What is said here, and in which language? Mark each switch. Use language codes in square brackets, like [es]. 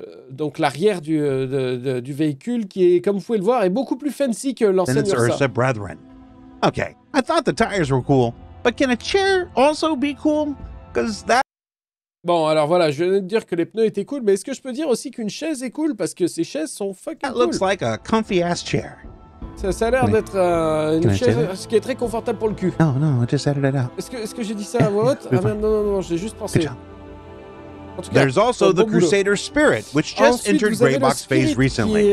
[fr] Donc l'arrière du véhicule qui est, comme vous pouvez le voir, est beaucoup plus fancy que l'ancienne [en] Ursa. Than its Ursa brethren. Okay, I thought the tires were cool, but can a chair also be cool? Because that... [fr] Bon, alors voilà, je viens de dire que les pneus étaient cool, mais est-ce que je peux dire aussi qu'une chaise est cool parce que ces chaises sont fucking cool. [en] That looks like a comfy ass chair. [fr] Ça a l'air d'être une chaise, ce qui est très confortable pour le cul. [en] No, I just added it up. [fr] Est-ce que j'ai dit ça à voix haute? Ah merde, non, j'ai juste pensé. [en] Good job. There's also the Crusader Spirit, which just entered Greybox phase recently.